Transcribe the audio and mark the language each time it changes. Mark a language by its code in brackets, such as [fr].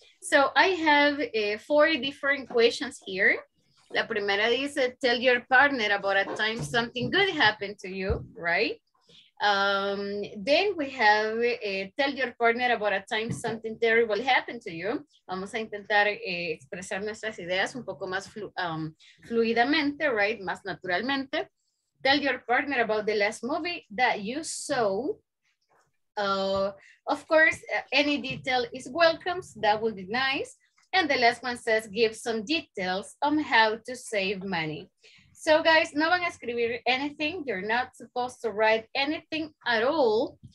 [en] So I have four different questions here. [es] La primera dice, [en] tell your partner about a time something good happened to you, right? Then we have, tell your partner about a time something terrible happened to you. [es] Vamos a intentar expresar nuestras ideas un poco más fluidamente, right? Más naturalmente. [en] Tell your partner about the last movie that you saw. Of course, any detail is welcome. So that would be nice. And the last one says, give some details on how to save money. So guys, [es] no van a escribir [en] anything. You're not supposed to write anything at all.